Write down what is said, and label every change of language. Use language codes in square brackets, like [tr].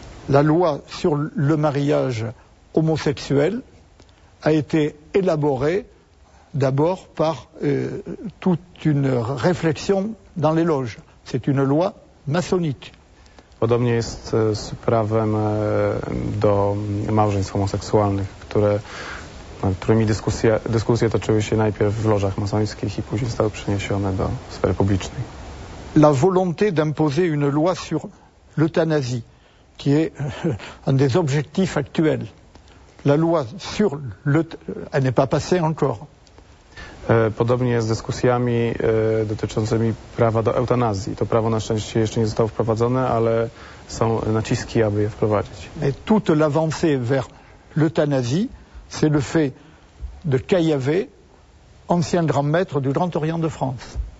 [fr] La loi sur le mariage homosexuel a été élaborée d'abord par toute une réflexion dans les loges. C'est une loi maçonnique. [pl] Podobnie jest z prawem do małżeństw homoseksualnych, którymi dyskusje toczyły się najpierw w lożach masońskich i później zostały przeniesione do sfery publicznej. [fr] La volonté d'imposer une loi sur l'euthanasie, qui est un des objectifs actuels. La loi sur elle n'est pas passée encore. [pl] Podobnie jest z dyskusjami dotyczącymi prawa do eutanazji. To prawo na szczęście jeszcze nie zostało wprowadzone, ale są naciski, aby je wprowadzić. [fr] Et toute l'avancée vers l'euthanasie, c'est le fait de Caillavé, ancien grand maître du Grand Orient de France.